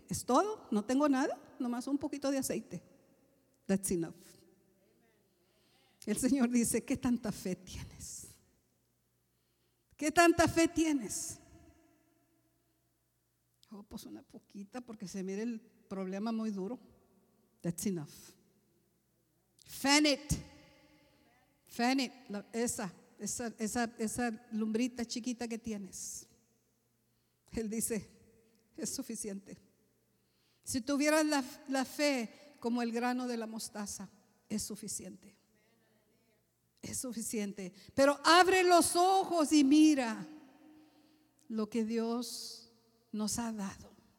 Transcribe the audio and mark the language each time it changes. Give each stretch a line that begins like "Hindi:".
Spanish: ¿Es todo? ¿No tengo nada? Nomás un poquito de aceite.
English: That's enough.
Spanish: El Señor dice, ¿qué tanta fe tienes? ¿Qué tanta fe tienes? Oh, pues una poquita, porque se mira el problema muy duro.
English: That's enough. Fan it, fan it,
Spanish: esa, esa lumbrita chiquita que tienes. Él dice, es suficiente. Si tuvieras la fe como el grano de la mostaza, es suficiente. Es suficiente. Pero abre los ojos y mira lo que Dios nos ha dado.